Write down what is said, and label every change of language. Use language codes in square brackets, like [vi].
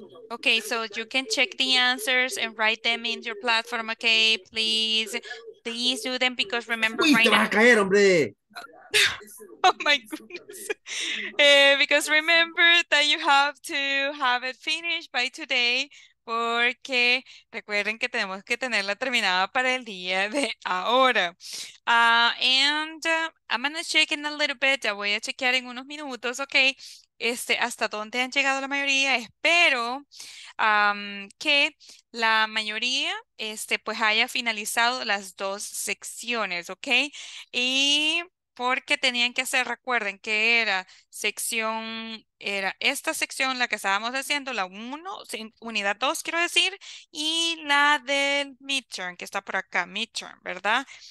[en] Okay, so you can check the answers and write them in your platform, okay? Please, please do them because remember right now. [es] Te vas a caer, hombre. [en] Oh my goodness. Because remember that you have to have it finished by today. [es] Porque recuerden que tenemos que tenerla terminada para el día de ahora. [en] I'm going to check in a little bit. [es] Ya voy a chequear en unos minutos, ok. Hasta dónde han llegado la mayoría. Espero que la mayoría pues haya finalizado las dos secciones, ok. Y porque tenían que hacer, recuerden que era sección, era esta sección la que estábamos haciendo, la 1, unidad 2 quiero decir, y la del midterm, que está por acá, midterm, ¿verdad?